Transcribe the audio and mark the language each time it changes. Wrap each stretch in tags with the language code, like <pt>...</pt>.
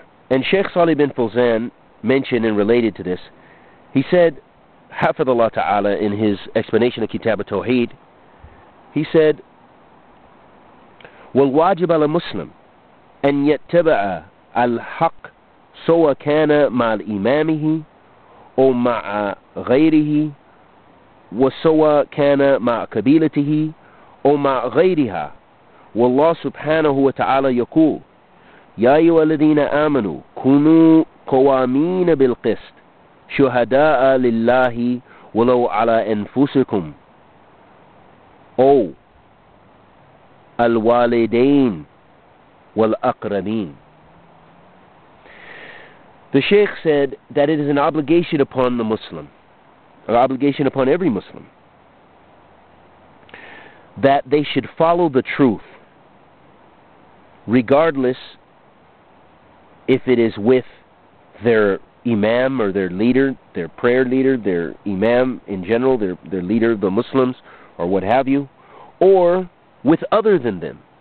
<en>And Sheikh Salih bin Fulzan mentioned and related to this. He said, Hafidhullah Ta'ala, in his explanation of Kitab al-Tawheed, he said,</en> <ar>وَالْوَاجِبَ لَمُسْلِمْ أَنْ يَتَّبَعَ الْحَقْ سَوَا كَانَ مَا الْإِمَامِهِ أَوْ مَعَ غَيْرِهِ وسواء كان مع قبيلته أو مع غيرها. والله سبحانه وتعالى يقول يا أيها الذين آمنوا كونوا قوامين بالقسط شهداء لله ولو على أنفسكم أو الوالدين والأقربين.</ar> <en>The Sheikh said that it is an obligation upon the Muslim, an obligation upon every Muslim, that they should follow the truth regardless if it is with their imam or their leader, their prayer leader, their imam in general, their leader of the Muslims or what have you, or with other than them,</en>